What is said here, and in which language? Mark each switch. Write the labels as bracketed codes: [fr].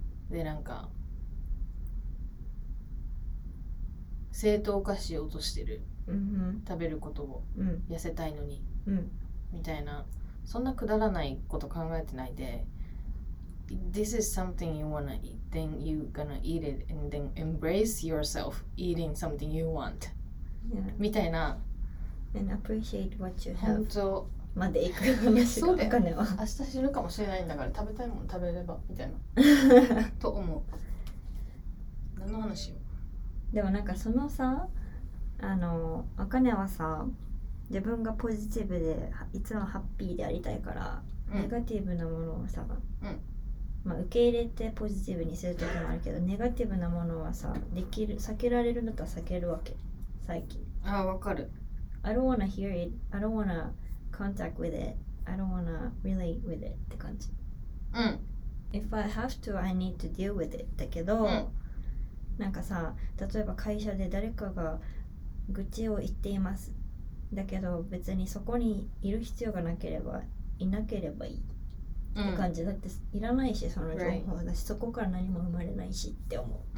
[ja] で、なんか、正当化しようとしてる。 Mm-hmm. 食べることを、痩せたいのに、 mm-hmm. みたいな。そんなくだらないこと考えてないで。 [en] This is something you wanna eat, then you're gonna eat it and then embrace yourself eating something you want. Yeah. [ja] みたいな。 [en] And appreciate what you have. [ja] 本当。まで行く話が。そうだよ。明日死ぬかもしれないんだから食べたいもん食べれば、みたいな。と思う。何の話よ。でもなんかそのさ、あの、アカネはさ、自分がポジティブでいつもハッピーでありたいから、うん、ネガティブなものをさ、うん、まあ、受け入れてポジティブにするときもあるけど、ネガティブなものはさ、できる、避けられるのとは避けるわけ、最近。ああ、わかる。 [en] I don't wanna hear it. I don't wanna contact with it. I don't wanna relate with it. [ja] って感じ。うん。 [en] If I have to, I need to deal with it. [ja] だけど、うん、なんかさ、例えば会社で誰かが愚痴を言っています。だけど、別にそこにいる必要がなければ、いなければいい。って感じ、うん、だっていらないしその情報だし、right. そこから何も生まれないしって思う。